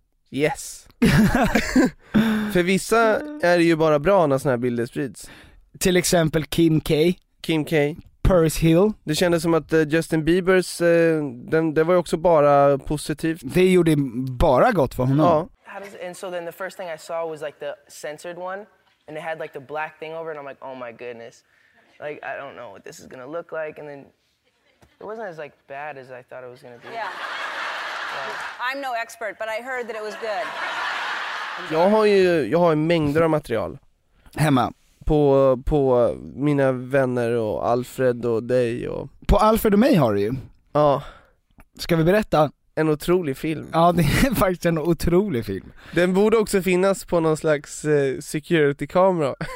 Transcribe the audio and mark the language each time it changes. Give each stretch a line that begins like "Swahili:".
English: Yes.
Swedish: För vissa är det ju bara bra när såna här bilder sprids. Till exempel Kim K. Kim K. Paris Hill. Det kändes som att Justin Biebers, det var ju också bara positivt. Det gjorde bara gott för honom. Ja.
English: And so then the first thing I saw was like the censored one, and it had like the black thing over, and I'm like, oh my goodness, like I don't know what this is gonna look like. And then it wasn't as like bad as I thought it was gonna be. Yeah. I'm no expert, but I heard that it was good.
Swedish: Jag har ju mängder av material hemma på mina vänner och Alfred och dig och på Alfred och mig har du ju. Ja. Ska vi berätta? En otrolig film. Ja, det är faktiskt en otrolig film. Den borde också finnas på någon slags security-kamera.